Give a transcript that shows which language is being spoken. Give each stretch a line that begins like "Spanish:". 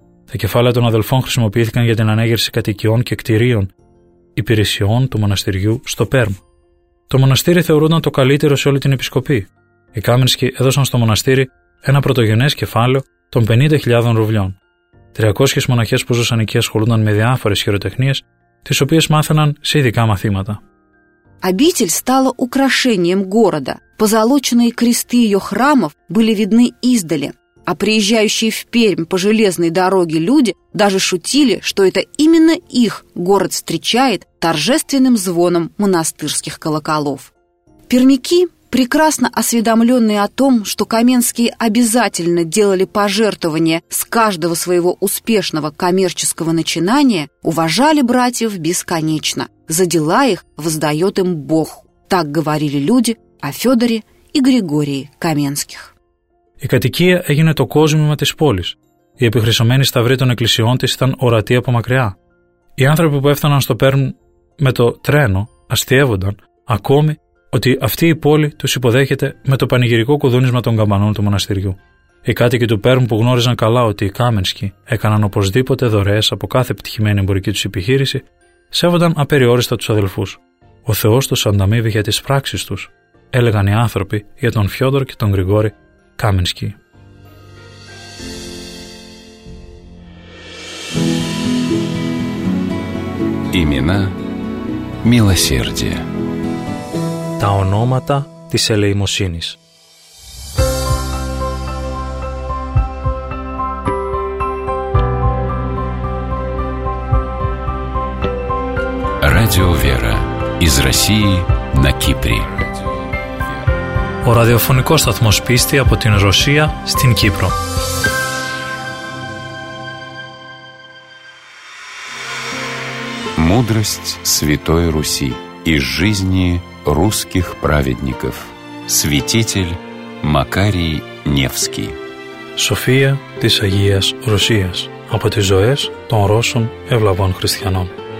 Greek: Τα κεφάλαια των αδελφών χρησιμοποιήθηκαν για την ανέγερση κατοικιών και κτηρίων υπηρεσιών του μοναστηριού στο Πέρμ. Το μοναστήρι θεωρούνταν το καλύτερο σε όλη την επισκοπή. Οι Κάμενσκοι έδωσαν στο μοναστήρι ένα πρωτογενές κεφάλαιο των 50.000 ρουβλιών. 300 μοναχές που ζούσαν εκεί ασχολούνταν με διάφορες χειροτεχνίες, τις οποίες μάθαιναν σε ειδικά μαθήματα.
Russian: Обитель стала украшением города. Позолоченные кресты ее храмов были видны издали, а приезжающие в Пермь по железной дороге люди даже шутили, что это именно их город встречает торжественным звоном монастырских колоколов. Пермяки, прекрасно осведомленные о том, что Каменские обязательно делали пожертвования с каждого своего успешного коммерческого начинания, уважали братьев бесконечно. За дела их воздает им Бог. Так говорили люди о Федоре и Григории Каменских.
Greek: Η κατοικία έγινε το κόσμημα της πόλης. Η επιχρυσωμένη σταυρή των εκκλησιών της ήταν ορατή από μακριά. Οι άνθρωποι που έφταναν στο Πέρμ με το τρένο αστειεύονταν ακόμη ότι αυτή η πόλη τους υποδέχεται με το πανηγυρικό κουδούνισμα των καμπανών του μοναστηριού. Οι κάτοικοι του Πέρμ που γνώριζαν καλά ότι οι Κάμενσκοι έκαναν οπωσδήποτε δωρεές από κάθε επιτυχημένη εμπορική τους επιχείρηση, σέβονταν απεριόριστα τους αδελφούς. Ο Θεός τους ανταμείβει για τις πράξεις τους, έλεγαν οι άνθρωποι για τον Φιόντορ και τον Γρηγόρη Κάμενσκι.
Russian: Имена милосердия.
Greek: Τα ονόματα της ελεημοσύνης.
Russian: Радио Вера из России на Кипре.
Greek: Ο ραδιοφωνικός σταθμός πίστη από την Ρωσία στην Κύπρο.
Russian: Мудрость Святой Руси из жизни русских праведников. Святитель Макарий Невский.
Greek: Σοφία της Αγίας Ρωσίας από τις ζωές των Ρώσων ευλαβών χριστιανών.